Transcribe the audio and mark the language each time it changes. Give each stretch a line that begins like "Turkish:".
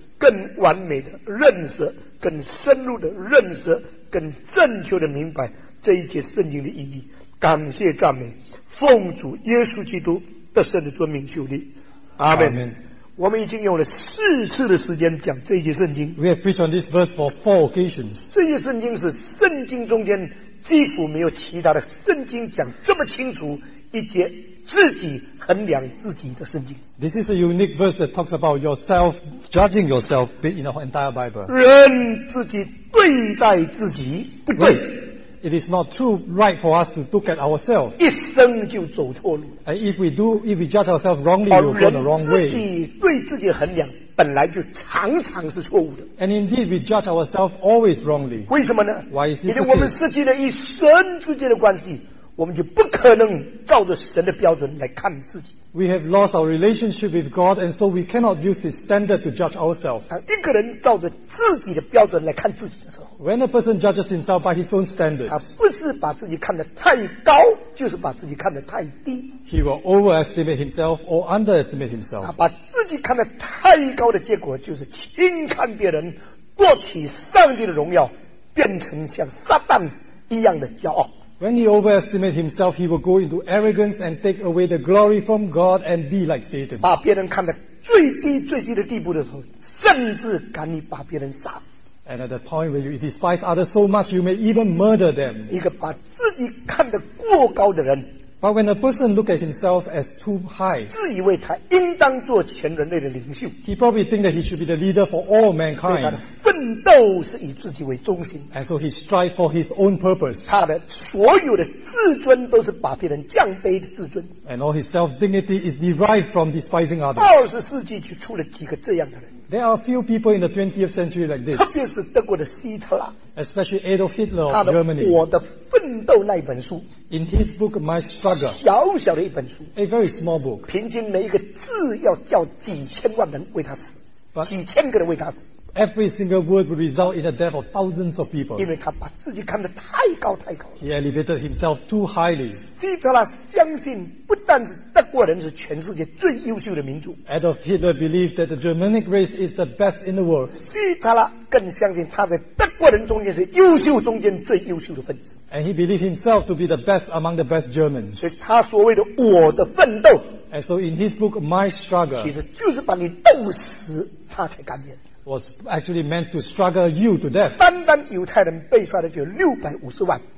Chinese: 更完美的认识更深入的认识更正确的明白这一节圣经的意义感谢赞美奉主耶稣基督得胜的尊名求你阿们我们已经用了四次的时间讲这些圣经
English: We have preached on this verse for four occasions
Chinese: 这些圣经是圣经中间几乎没有其他的圣经讲这么清楚一节自己衡量自己的圣经
English: This is a unique verse that talks about yourself judging yourself in the entire Bible
Chinese: 人自己对待自己不对、
English: right. It is not too right for us to look at ourselves
Chinese: 一生就走错路
English: And if we do, if we judge ourselves wrongly, we will go the wrong way
Chinese: 人自己对自己衡量本来就常常是错误的
English: And indeed, we judge ourselves always wrongly
Chinese: 为什么呢
English: Why is this
Chinese: 因为我们失去了一生之间的关系我们就不可能照着神的标准来看自己
English: We have lost our relationship with God and so we cannot use His standard to judge ourselves
Chinese: 一个人照着自己的标准来看自己的时候
English: When a person judges himself by his own standards
Chinese: 他不是把自己看得太高就是把自己看得太低
English: He will overestimate himself or underestimate himself
Chinese: 把自己看得太高的结果就是轻看别人夺取上帝的荣耀变成像撒旦一样的骄傲
English: When he overestimates himself, he will go into arrogance and take away the glory from God and be like Satan.
Chinese: 把别人看得最低最低的地步的时候，甚至敢于把别人杀死。
English: And at the point where you despise others so much, you may even murder them.
Chinese: 一个把自己看得过高的人。
English: But when a person looks at himself as too high,
Chinese: 自以为他应当做全人类的领袖。
English: He probably thinks that he should be the leader for all mankind.
Chinese: 奋斗是以自己为中心。
English: And so he strives for his own purpose.
Chinese: 他的所有的自尊都是把别人降卑的自尊。
English: And all his self-dignity is derived from despising others.
Chinese: 二十世纪就出了几个这样的人。
English: There are a few people in the 20th century like this.
Chinese: 特别是德国的希特拉。
English: Especially Adolf Hitler of Germany.
Chinese: 他的《我的奋斗》那一本书。
English: In his book, My Struggle.
Chinese: 小小的一本书。
English: A very small book.
Chinese: 平均每一个字要叫几千万人为他死。 But、几千个人为他死。
English: Every single word would result in the death of thousands of people.
Chinese: 因为他把自己看得太高太高。
English: He elevated himself too highly.
Chinese: 希特拉相信不但是德国人是全世界最优秀的民族。
English: Adolf Hitler believed that the Germanic race is the best in the world.
Chinese: 希特拉更相信他在德国人中间是优秀中间最优秀的分子。
English: And he believed himself to be the best among the best Germans.
Chinese: 所以他所谓的我的奋斗。
English: And so in his book, My Struggle.
Chinese: 其实就是把你斗死他才甘愿。
English: Was actually meant to struggle you to death.
Chinese: 单单犹太人被杀的就650万。